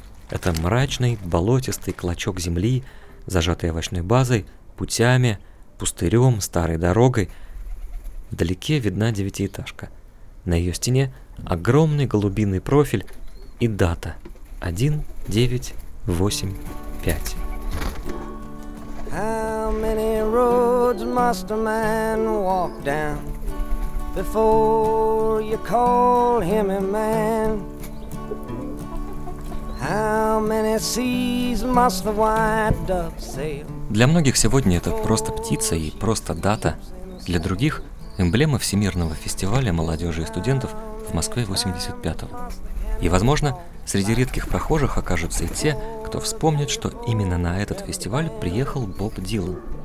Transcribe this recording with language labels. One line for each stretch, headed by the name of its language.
Russian: Это мрачный, болотистый клочок земли, зажатый овощной базой, путями, пустырем, старой дорогой. Вдалеке видна девятиэтажка. На ее стене огромный голубиный профиль и дата 1985.
English: How many roads must a man walk down? Before you call him a man, how many seas must the white dove sail?
Russian: Для многих сегодня это просто птица и просто дата. Для других — эмблема Всемирного фестиваля молодежи и студентов в Москве 85-го. И, возможно, среди редких прохожих окажутся и те, кто вспомнит, что именно на этот фестиваль приехал Боб Дилан.